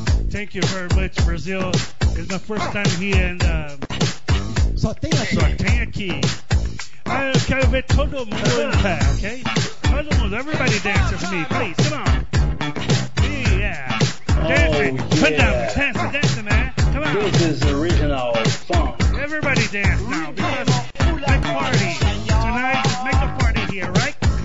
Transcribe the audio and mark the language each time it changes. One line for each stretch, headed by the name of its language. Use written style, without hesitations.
English: Thank you very much, Brazil. It's my first time here and
Portuguese: só tem aqui. Só tem aqui. I quero ver todo mundo em pé, ok? Todo mundo,
English: everybody dance with me, please, come on. Yeah, dancing, oh, yeah. Put down, dancing, man, come on. This is original funk. Everybody dance now, because my party tonight, make a party here, right?